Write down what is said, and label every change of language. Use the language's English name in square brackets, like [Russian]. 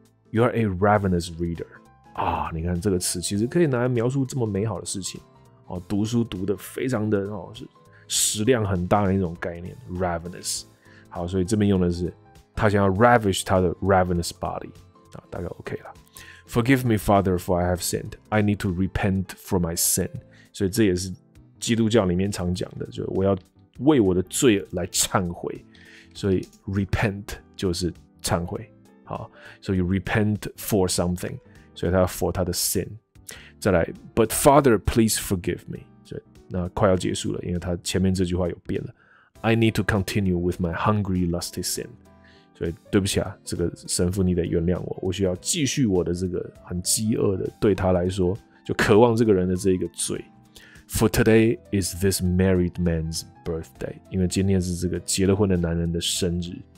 [English] You are a Ravenous Reader 啊！ [Chinese] 你看这个词其实可以拿来描述这么美好的事情哦，读书读的非常的哦，是食量很大的一种概念 ，Ravenous。好，所以这边用的是。他想要 ravish 他的 ravenous body、啊、大概 OK 了。 [English] Forgive me, Father, for I have sinned. I need to repent for my sin. [Chinese] 所以这也是基督教里面常讲的，就我要为我的罪来忏悔。所以 repent 就是忏悔。好，所以 [English] repent for something. [Chinese] 所以他要 for 他的 sin。再来 [English] ，But Father, please forgive me. [Chinese] 所以那快要结束了，因为他前面这句话有变了。 [English] I need to continue with my hungry, lusty sin. [Chinese] 所以对不起啊，这个神父，你得原谅我，我需要继续我的这个很饥饿的，对他来说就渴望这个人的这一个罪。 [English] For today is this married man's birthday， [Chinese] 因为今天是这个结了婚的男人的生日。